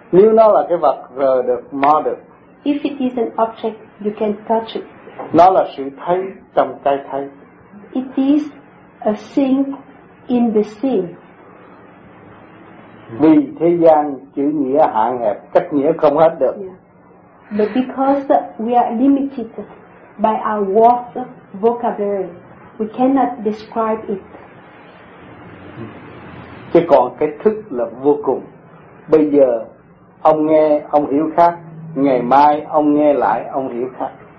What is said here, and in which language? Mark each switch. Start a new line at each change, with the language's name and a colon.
Vietnamese: Nếu nó là cái vật rồi được mò được.
English: If it is an object, you can touch it.
Vietnamese: Nó là sự thấy trong cái thấy.
English: It is a thing in the seeing.
Vietnamese: Vì thế gian chữ nghĩa hạn hẹp, cách nghĩa không hết được. Yeah.
English: But because we are limited by our word vocabulary, we cannot describe it.
Vietnamese: Chứ còn cái thức là vô cùng. Bây giờ ông nghe, ông hiểu khác. Ngày mai ông nghe lại, ông hiểu khác.